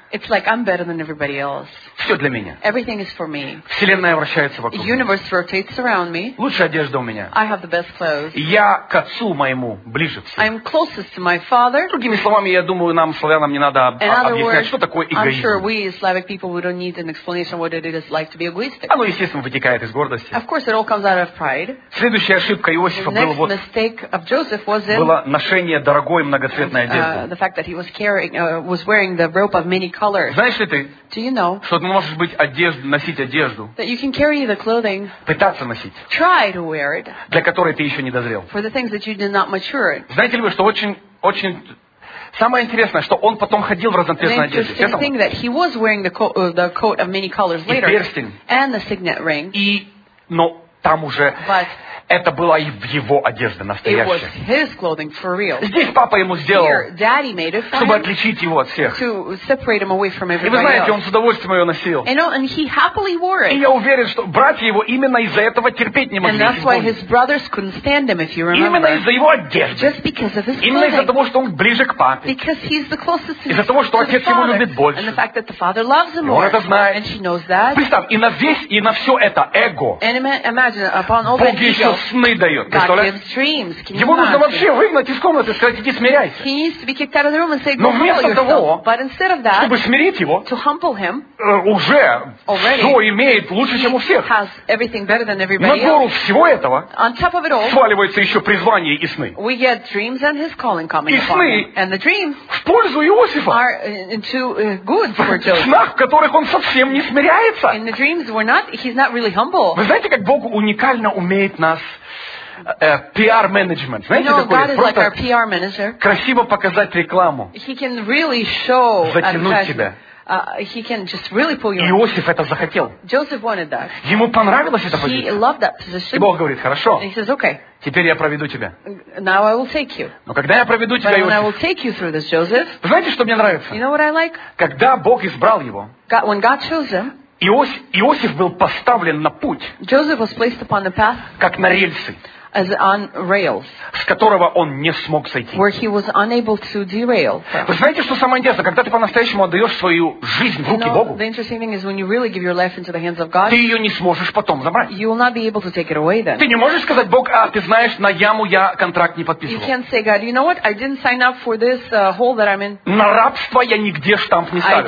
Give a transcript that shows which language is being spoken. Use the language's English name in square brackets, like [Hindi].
[English] It's like I'm better than everybody else. [Russian] Все для меня. [English] Everything is for me. [Russian] Вселенная вращается вокруг меня. [English] Universe rotates around me. [Russian] Лучшая одежда у меня. [English] I have the best clothes. [Russian] Я к отцу моему ближе всего. [English] I'm closest to my father. [Russian] Другими словами, я думаю, нам славянам не надо объяснять, что такое эгоизм. [English] I'm sure we Slavic people we don't need an explanation what it is like to be egoistic. [Russian] Оно естественно вытекает из гордости. [English] Of course, it all comes out of pride. [Russian] Следующая ошибка Иосифа была вот. [English] The mistake of Joseph was in. [Russian] Было ношение дорогой многоцветной одежды. [English] The fact that he was carrying was wearing the robe of many colors. [Russian] Знаешь ли ты? [English] Do you know? [Russian] Что ты можешь быть одежду, носить одежду, [English] that you can carry the clothing, [Russian] пытаться носить, [English] try to wear it, [Russian] для которой ты еще не дозрел. [English] For the things that you did not mature in. [Russian] Знаете ли вы, что очень, очень... Самое интересное, что он потом ходил в разноцветной одежде. [English] Thing that he was wearing the coat of many colors later, [Russian] и перстень. [English] And the signet ring. [Russian] И, но там уже... [English] But [Russian] это была и его одежда настоящая. [English] It was his clothing for real. [Russian] Здесь папа ему сделал, [English] here, daddy made it, [Russian] чтобы отличить его от всех. [English] To separate him away from everybody [Russian] и вы знаете, [English] else. [Russian] Он с удовольствием ее носил. [English] And he happily wore it. [Russian] И я уверен, что братья его именно из-за этого терпеть не могли. [English] And that's why his brothers couldn't stand him, if you remember. [Russian] Именно из-за его одежды. [English] Just because of his clothing. [Russian] Именно из-за того, что он ближе к папе. [English] Because he's the closest to his father. [Russian] Из-за того, что отец его любит больше. [English] And the fact that the father loves him more. [Russian] Он это знает. [English] And she knows that. [Russian] Представь, и на все это эго. [English] And imagine upon all [Russian] Бог [English] that ego. [Russian] сны дает. Представляешь? Ему нужно вообще выгнать из комнаты и сказать, иди смиряйся. Но вместо того, чтобы смирить его, уже все имеет лучше, чем у всех. На гору всего этого сваливается еще призвание и сны. [English] We get dreams and his calling coming upon him. And the dreams [Russian] в пользу Иосифа. [English] Are into good for Joseph. [Russian] В снах, в которых он совсем не смиряется. [English] In the dreams we're not, he's not really humble. [Russian] Вы знаете, как Бог уникально умеет нас PR менеджмент. Знаете, [English] you know, [Russian] такой [English] God is [Russian] просто [English] like our PR manager. [Russian] Красиво показать рекламу. [English] He can really show [Russian] затянуть тебя. [English] He can just really pull you. [Russian] Иосиф это захотел. [English] Joseph wanted that. [Russian] Ему понравилась эта позиция. [English] He loved that position. [Russian] И Бог говорит, хорошо. [English] And he says, okay. [Russian] Теперь я проведу тебя. [English] Now I will take you. [Russian] Но когда я проведу тебя, [English] Иосиф, I will take you through this, Joseph, [Russian] знаете, что мне нравится? [English] You know what I like? [Russian] Когда Бог избрал его, [English] God, when God chose him, [Russian] Иосиф был поставлен на путь, [English] Joseph was placed upon the path, [Russian] как на рельсы, [English] as on rails, [Russian] с которого он не смог сойти. [English] Where he was unable to derail. [Russian] Вы знаете, что самое интересное? Когда ты по-настоящему отдаешь свою жизнь в руки Богу, [English] the interesting thing is when you really give your life into the hands of God, [Russian] ты ее не сможешь потом забрать. [English] You will not be able to take it away then. [Russian] Ты не можешь сказать, Бог, а ты знаешь, на яму я контракт не подписывал. [English] You can't say, God, you know what? I didn't sign up for this hole that I'm in. [Russian] На рабство я нигде штамп не ставил.